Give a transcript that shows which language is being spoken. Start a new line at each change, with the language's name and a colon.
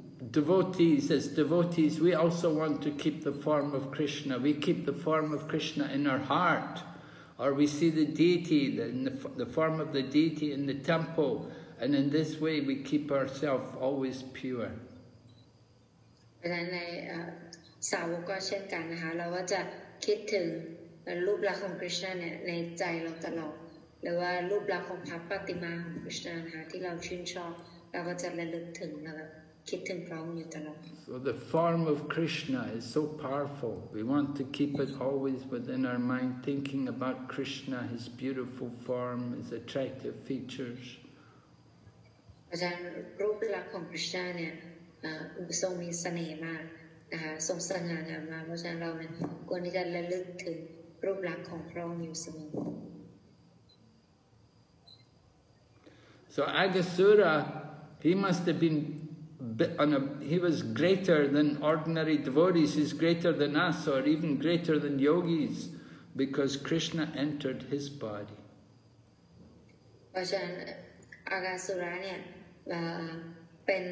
English: Devotees, as devotees, we also want to keep the form of Krishna. We keep the form of Krishna in our heart. Or we see the deity, the form of the deity in the temple. And in this way, we keep ourselves always pure.
Thai: และในสาวกก็เช่นกันนะคะเราก็จะคิดถึงรูปลักษณ์ของ Krishna เนี่ยในใจเราตลอดหรือว่ารูปลักษณ์ของพระปฏิมาของคริสต์นะคะที่เราชื่นชอบเราก็จะระลึกถึงแล้วก็คิดถึงพระองค์อยู่ตลอด
English: So the form of Krishna is so powerful. We want to keep it always within our mind, thinking about Krishna, his beautiful form, his attractive features.
Thai: อาจารย์รูปลักษณ์ของคริสต์เนี่ยทรงมีเสน่ห์มากนะคะทรงสง่างามมากเพราะฉะนั้นเราเนี่ยควรที่จะระลึกถึงรูปลักษณ์ของพระองค์อยู่เสมอ
English: So Aghāsura, he must have been he was greater than ordinary devotees, he's greater than us or even greater than yogis because Krishna entered his body.
Thai: เพราะฉะนั้นอาการสุราเนี่ยเป